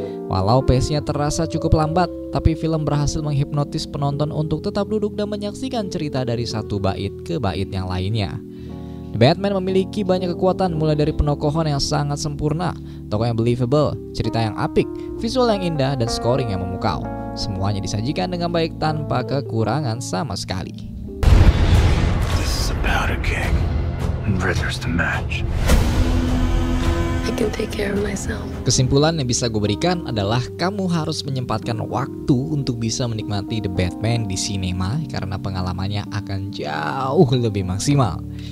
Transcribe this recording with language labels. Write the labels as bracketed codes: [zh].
[id] Walau pace-nya terasa cukup lambat, tapi film berhasil menghipnotis penonton untuk tetap duduk dan menyaksikan cerita dari satu bait ke bait yang lainnya. The Batman memiliki banyak kekuatan mulai dari penokohan yang sangat sempurna, tokoh yang believable, cerita yang apik, visual yang indah, dan scoring yang memukau. Semuanya disajikan dengan baik tanpa kekurangan sama sekali. [en] This is about a king and brothers to match. I can take care of myself. [id] Kesimpulan yang bisa gue berikan adalah kamu harus menyempatkan waktu untuk bisa menikmati The Batman di sinema karena pengalamannya akan jauh lebih maksimal.